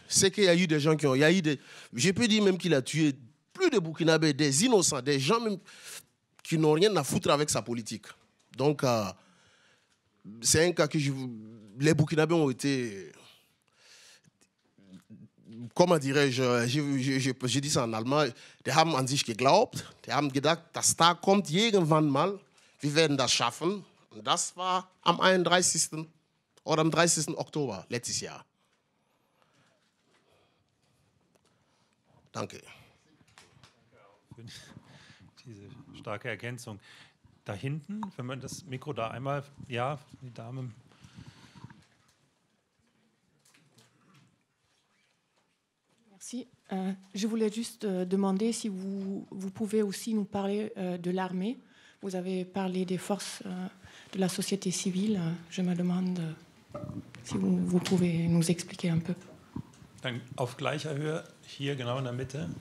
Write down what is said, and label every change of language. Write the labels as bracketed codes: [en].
[fr] C'est qu'il y a eu des gens qui ont... Je peux dire même qu'il a tué plus de Burkinabés, des innocents, des gens même... qui n'ont rien à foutre avec sa politique. Donc, c'est un cas que les Burkinabés ont été... Comment dirais-je? J'ai dit ça en allemand. [de] « Die haben an sich geglaubt. Die haben gedacht, dass da kommt irgendwann mal. Wir werden das schaffen. Und das war am 31. oder am 30. Oktober letztes Jahr. » Danke. Diese starke Ergänzung. Da hinten, wenn man das Mikro da einmal, ja, die Dame. [fr] Merci. Je voulais juste demander si vous pouvez aussi nous parler de l'armée. Vous avez parlé des forces de la société civile. Je me demande si vous pouvez nous expliquer un peu. [de] Dann auf gleicher Höhe, hier genau in der Mitte.